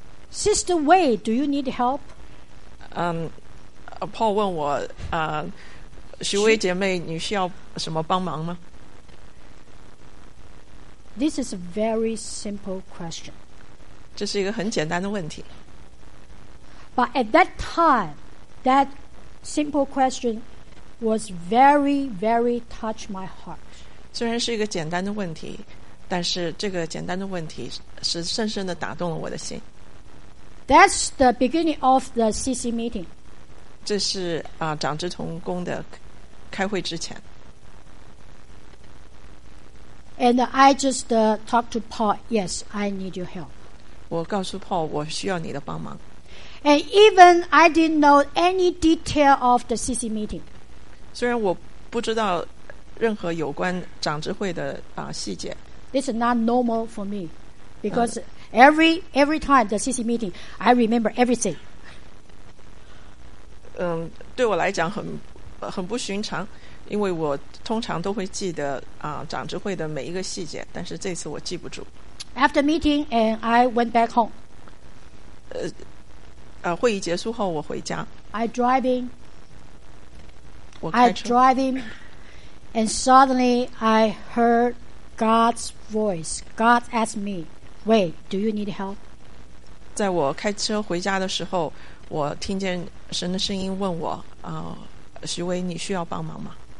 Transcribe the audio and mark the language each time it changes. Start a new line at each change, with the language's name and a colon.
English: "Sister Wei, do you need help?"
Chinese: Paul 问我徐薇姐妹，你需要什么帮忙吗
English: ？This is a very simple question.
Chinese: 这是一个很简单的问题。
English: But at that time, that simple question was very, very touched my heart.
Chinese: 虽然是一个简单的问题，但是这个简单的问题是深深的打动了我的心。
English: That's the beginning of the CC meeting.
Chinese: 这是长职同工的。开会之前
English: And I just talked to Paul. Yes, I need your help.
Chinese: 我告诉 Paul 我需要你的帮忙
English: And even I didn't know any detail of the CC meeting.
Chinese: 虽然我不知道任何有关长职会的细节
English: This is not normal for me, because every time the CC meeting, I remember everything.
Chinese: 对我来讲很不寻常，因为我通常都会记得长职会的每一个细节，但是这次我记不住。
English: After meeting and I went back home.
Chinese: 会议结束后我回家。
English: I driving, and suddenly I heard God's voice. God asked me, "Wait, do you need help?"
Chinese: 在我开车回家的时候，我听见神的声音问我徐薇，你需要帮忙吗